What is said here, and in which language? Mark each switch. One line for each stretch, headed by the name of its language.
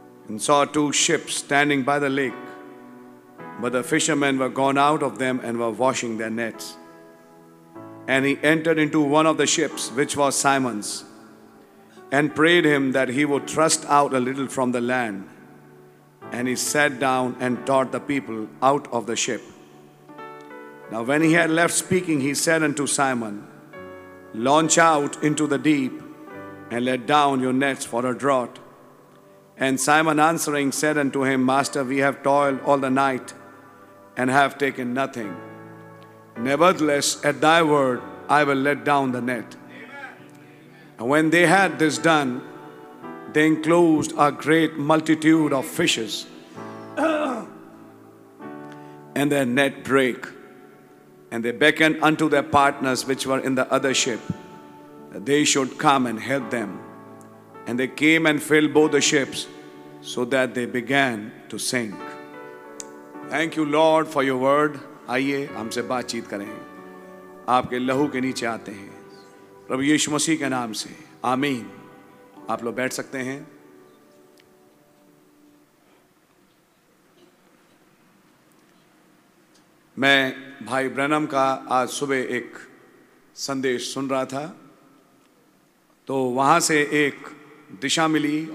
English: And saw two ships standing by the lake but the fishermen were gone out of them and were washing their nets And he entered into one of the ships, which was Simon's, and prayed him that he would thrust out a little from the land. And he sat down and taught the people out of the ship. Now when he had left speaking, he said unto Simon, Launch out into the deep, and let down your nets for a draught. And Simon answering said unto him, Master, we have toiled all the night, and have taken nothing. Nevertheless, at thy word, I will let down the net. Amen. And when they had this done, they enclosed a great multitude of fishes. and their net break. And they beckoned unto their partners which were in the other ship, that they should come and help them. And they came and filled both the ships, so that they began to sink. Thank you, Lord, for your word.
Hindi: आइए हमसे बातचीत करें. आपके लहू के नीचे आते हैं प्रभु यीशु मसीह के नाम से. आमीन. आप लोग बैठ सकते हैं. मैं भाई ब्रनम का आज सुबह एक संदेश सुन रहा था, तो वहां से एक दिशा मिली.